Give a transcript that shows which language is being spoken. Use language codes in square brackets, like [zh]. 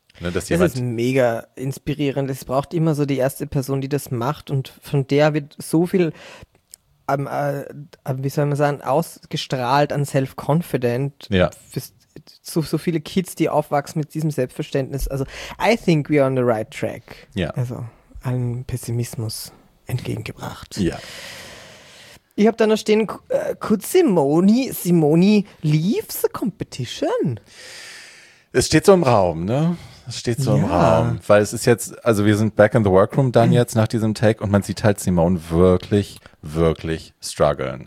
[de] Ne, dass das ist mega inspirierend. Es braucht immer so die erste Person, die das macht und von der wird so viel wie soll man sagen, ausgestrahlt an Self-Confident. Ja. So viele Kids, die aufwachsen mit diesem Selbstverständnis. Also, [en] I think we are on the right track. [de] Ja. Also, allen Pessimismus entgegengebracht. Ja. Ich habe da noch stehen, [en] could Simone leave the competition? [de] Es steht so im Raum, ne? Es steht so im Raum. Weil es ist jetzt, also wir sind [en] back in the workroom [de] dann jetzt nach diesem Take und man sieht halt Simone wirklich, wirklich strugglen.